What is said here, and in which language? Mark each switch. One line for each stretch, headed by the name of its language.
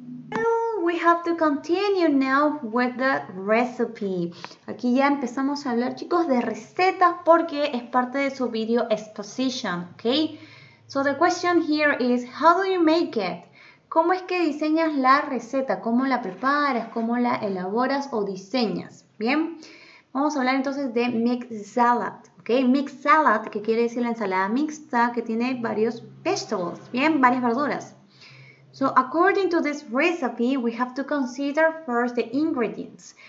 English: Well, we have to continue now with the recipe.
Spanish: Aquí ya empezamos a hablar, chicos, de recetas porque es parte de su video exposition, ok.
English: So the question here is, how do you make it?
Spanish: ¿Cómo es que diseñas la receta? ¿Cómo la preparas? ¿Cómo la elaboras o diseñas? Bien, vamos a hablar entonces de mixed salad, ¿ok? Mixed salad, que quiere decir la ensalada mixta, que tiene varios vegetables, bien, varias verduras.
English: So according to this recipe, we have to consider first the ingredients.